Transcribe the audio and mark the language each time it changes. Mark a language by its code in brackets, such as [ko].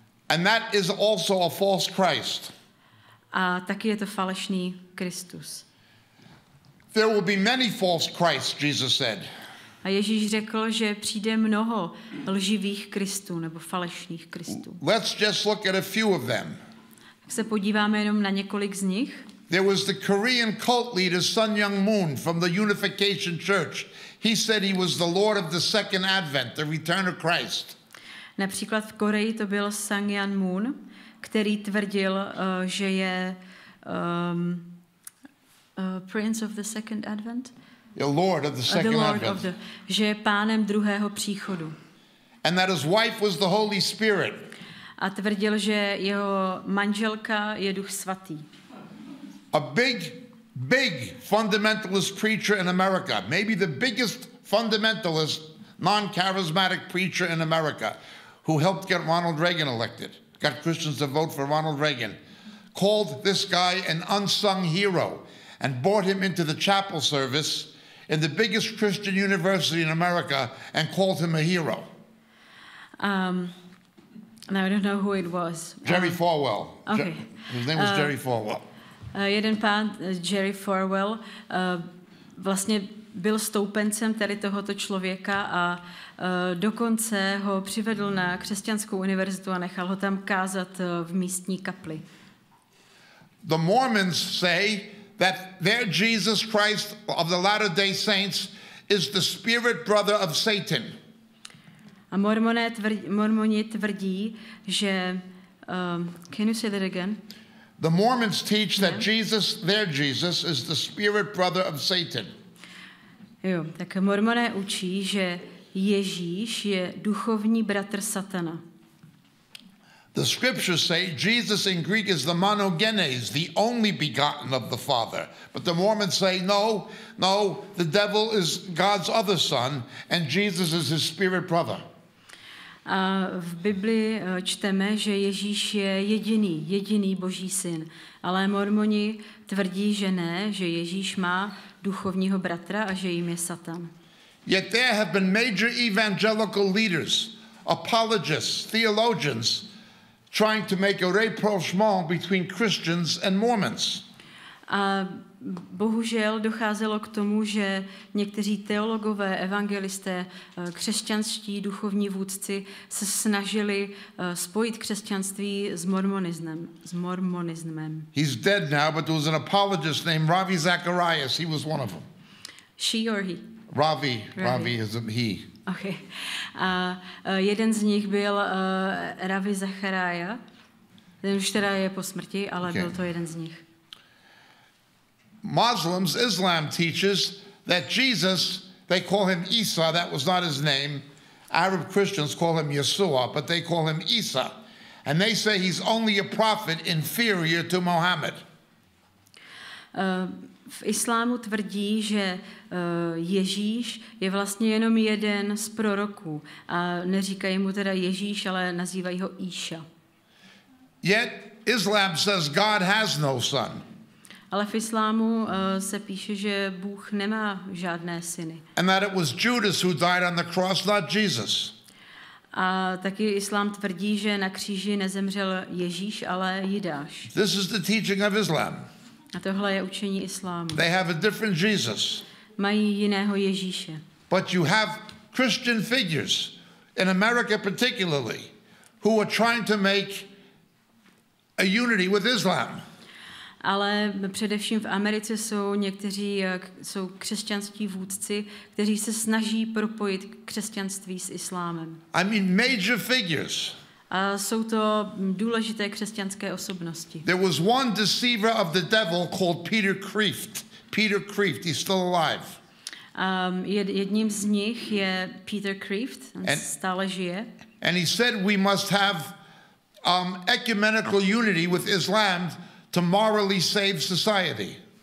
[en] And that is also a false Christ. [cs] A taky je to falešný Kristus. [en] There will be many false Christs, Jesus said. [cs] A Ježíš řekl, že přijde mnoho lživých Kristů nebo falešných Kristů. [en] Let's just look at a few of them. [cs] Tak se podíváme jenom na několik z nich. [en] There was the Korean cult leader Sun Myung Moon from the Unification Church. He said he was the Lord of the Second Advent, the return of Christ. [cs] Například v Koreji to byl Sun Myung Moon, který tvrdil, že je [en] prince of the second advent. The Lord of the second advent. [cs] Že je pánem druhého příchodu. [en] And that his wife was the Holy Spirit. [cs] A tvrdil, že jeho manželka je Duch svatý. [en] A big fundamentalist preacher in America, maybe the biggest fundamentalist non-charismatic preacher in America, who helped get Ronald Reagan elected, got Christians to vote for Ronald Reagan, called this guy an unsung hero and brought him into the chapel service in the biggest Christian university in America and called him a hero. No, I don't know who it was. Jerry Falwell. Okay. His name was Jerry Falwell. [cs] Jeden pán, Jerry Falwell, vlastně byl stoupencem tady tohoto člověka a dokonce ho přivedl na křesťanskou univerzitu a nechal ho tam kázat v místní kapli. [en] The Mormons say that their Jesus Christ of the Latter-day Saints is the spirit brother of Satan. [cs] A Mormoni tvrdí, že... [en] can you say that again? The Mormons teach that Jesus, their Jesus, is the spirit brother of Satan. [cs] Jo, tak Mormoné učí, že Ježíš je duchovní bratr Satana. [en] The scriptures say Jesus in Greek is the monogenes, the only begotten of the Father. But the Mormons say, no, the devil is God's other son and Jesus is his spirit brother. [cs] A v Biblii čteme, že Ježíš je jediný Boží syn. Ale Mormoni tvrdí, že ne, že Ježíš má duchovního bratra a že jim je Satan. [en] Yet there have been major evangelical leaders, apologists, theologians trying to make a rapprochement between Christians and Mormons. [cs] A bohužel docházelo k tomu, že někteří teologové, evangelisté, křesťanští duchovní vůdci se snažili spojit křesťanství s mormonismem. [en] He's dead now, but there was an apologist named Ravi Zacharias. He was one of them. She or he? Ravi. Ravi is a he. [cs] Okay. A jeden z nich byl Ravi Zacharias. Ten už teda je po smrti, ale okay. Byl to jeden z nich. [en] Muslims, Islam teaches that Jesus, they call him Isa, that was not his name. Arab Christians call him Yeshua, but they call him Isa. And they say he's only a prophet inferior to Muhammad. [cs] V islámu tvrdí, že Ježíš je vlastně jenom jeden z proroků. A neříkají mu teda Ježíš, ale nazývají ho Isa. [en] Yet Islam says God has no son. [cs] Ale v islámu se píše, že Bůh nemá žádné syny. [en] And that it was Judas who died on the cross, not Jesus. [cs] A taky islám tvrdí, že na kříži nezemřel Ježíš, ale Judáš. [en] This is the teaching of Islam. [cs] A tohle je učení islámu. [en] They have a different Jesus. [cs] Mají jiného Ježíše. [en] But you have Christian figures in America particularly who are trying to make a unity with Islam. [cs] Ale především v Americe jsou někteří, jsou křesťanskí vůdci, kteří se snaží propojit křesťanství s islámem. [en] I mean major figures. [cs] A jsou to důležité křesťanské osobnosti. [en] There was one deceiver of the devil called Peter Kreeft. Peter Kreeft, he's still alive. [cs] Jedním z nich je Peter Kreeft, on stále žije. [en] And he said we must have ecumenical unity with Islam to morally save society.